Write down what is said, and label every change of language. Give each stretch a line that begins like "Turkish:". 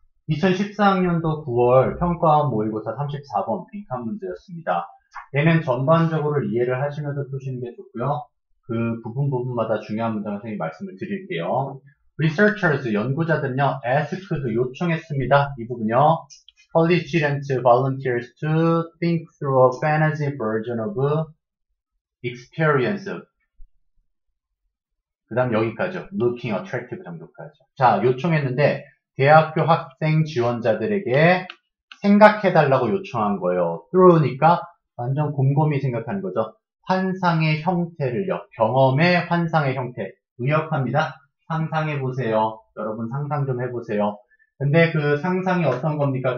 Korean: 2014학년도 9월 평가원 모의고사 34번 빈칸 문제였습니다. 얘는 전반적으로 이해를 하시면서 푸시는 게 좋고요. 그 부분부분마다 중요한 문장을 선생님 말씀을 드릴게요.
English: Researchers,
Korean: 연구자들은요,
English: asked
Korean: 도 요청했습니다. 이 부분요.
English: College students volunteers to think through a fantasy version of experience.
Korean: 그 다음 여기까지요.
English: Looking attractive
Korean: 정도까지요. 자, 요청했는데, 대학교 학생 지원자들에게 생각해달라고 요청한 거예요. Through니까 완전 곰곰이 생각하는 거죠. 환상의 형태를요. 경험의 환상의 형태. 의역합니다. 상상해보세요. 여러분 상상 좀 해보세요. 근데 그 상상이 어떤 겁니까?